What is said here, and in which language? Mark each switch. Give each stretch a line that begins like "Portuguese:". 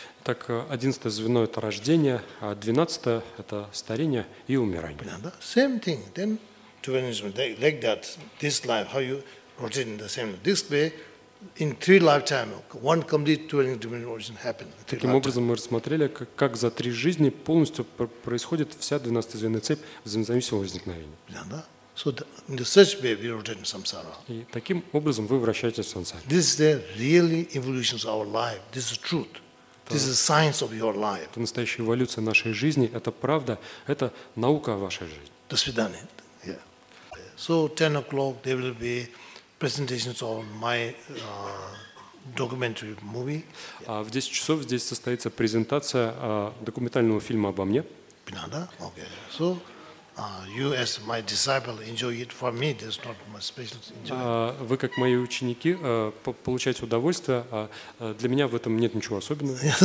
Russian: Так, 11-е звено – это рождение, а 12-е – это старение и умирание. Понятно?
English: Same thing. Then, like that, this life, how you rotate in the same life. This way, in three lifetime, one complete 12 dimensional origin happened.
Russian: Таким образом, мы рассмотрели, как за три жизни полностью происходит вся 12-я звенная цепь взаимозависимого возникновения. Понятно?
English: So, in the search way, we rotate in samsara.
Russian: И таким образом, вы вращаетесь в сансаре.
English: This is the really evolution of our life. This is truth. This is science of your life.
Russian: Это настоящая эволюция нашей жизни. Это правда. Это наука о вашей жизни. До свидания.
English: Yeah. So 10 o'clock there will be presentations of my documentary movie.
Russian: В 10 часов здесь состоится презентация документального фильма обо мне.
English: Пинада. Okay. So you as my disciple enjoy it. For me, this is not my special enjoyment.
Russian: Вы как мои ученики получаете удовольствие, а для меня в этом нет ничего особенного.